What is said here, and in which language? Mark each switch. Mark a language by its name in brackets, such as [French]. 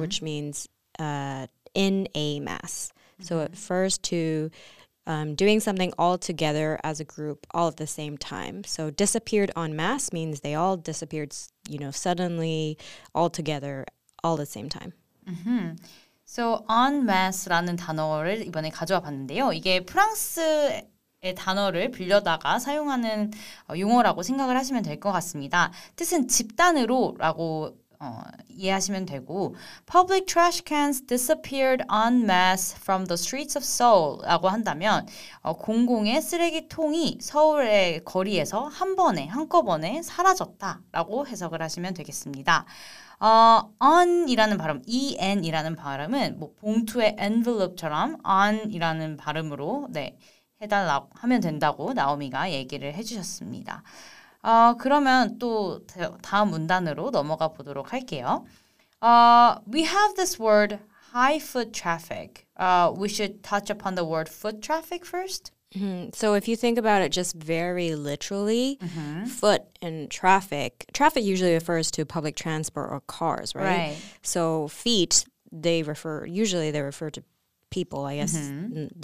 [English] which means in a mass. Mm-hmm. So it refers to doing something all together as a group, all at the same time. So disappeared en masse means they all disappeared, you know, suddenly, all together, all at the same time. Mm-hmm. So [Korean] en masse라는 단어를 이번에 가져와 봤는데요. 이게 프랑스의 단어를 빌려다가 사용하는 용어라고 생각을 하시면 될 것 같습니다. 뜻은 집단으로 라고 이해하시면 되고 [English] public trash cans disappeared en masse from the streets of Seoul [Korean] 라고 한다면 공공의 쓰레기통이 서울의 거리에서 한 번에 한꺼번에 사라졌다 라고 해석을 하시면 되겠습니다. on 이라는 발음, en 이라는 발음은 뭐 봉투의 envelope처럼 on 이라는 발음으로 네, 해달라고 하면 된다고 나오미가 얘기를 해주셨습니다. 그러면 또 다음 문단으로 넘어가 보도록 할게요. [English] We have this word high foot traffic. We should touch upon the word foot traffic first. Mm-hmm. So if you think about it just very literally, mm-hmm. foot and traffic. Traffic usually refers to public transport or cars, right? Right. So feet, they refer to people, I guess, mm-hmm.